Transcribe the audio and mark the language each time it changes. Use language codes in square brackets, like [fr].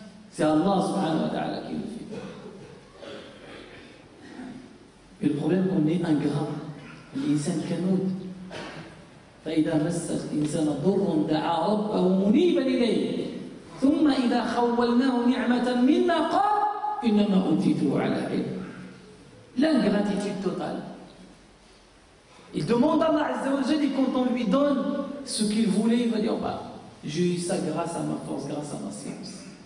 [fr] c'est Allah subhanahu wa ta'ala qui nous fait. Et le problème qu'on est ingrat, [ar] l'insan canoud. فإذا مسخ إنسان ضر دعا ربه منيبا إليه ثم إذا خولناه نعمة منا قال إنما أوتيته على علم. [fr] L'ingratitude totale. Il demande à Allah Azza wa Jalla, quand on lui donne ce qu'il voulait, il va dire, bah, j'ai eu ça grâce à ma force, grâce à ma science.